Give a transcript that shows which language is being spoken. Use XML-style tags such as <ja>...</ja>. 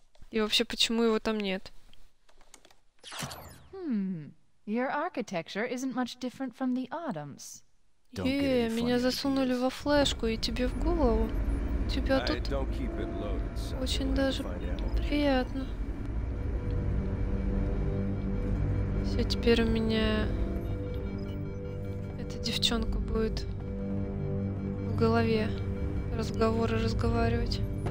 <ru>И вообще, почему его там нет?</ru> <en>Your architecture isn't much different from the Autumn's.</en> <ru>Меня засунули во флешку и тебе в голову. тебя тут очень даже приятно. Все, теперь у меня эта девчонка будет в голове разговоры разговаривать.</ru>